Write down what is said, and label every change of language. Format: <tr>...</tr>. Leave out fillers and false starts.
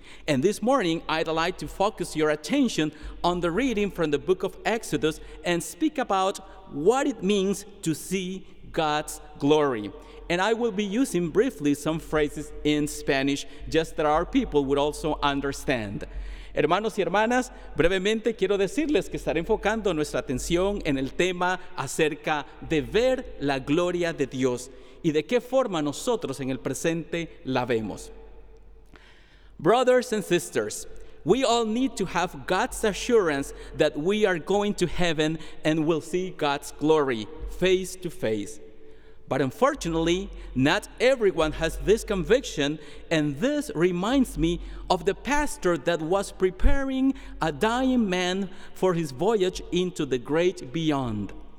<en>And this morning, I'd like to focus your attention on the reading from the book of Exodus and speak about what it means to see God's glory. And I will be using briefly some phrases in Spanish, just that our people would also understand.</en> <es>Hermanos y hermanas, brevemente quiero decirles que estaré enfocando nuestra atención en el tema acerca de ver la gloria de Dios y de qué forma nosotros en el presente la vemos.</es> <en>Brothers and sisters, we all need to have God's assurance that we are going to heaven and will see God's glory face to face. But unfortunately, not everyone has this conviction, and this reminds me of the pastor that was preparing a dying man for his voyage into the great beyond.</en>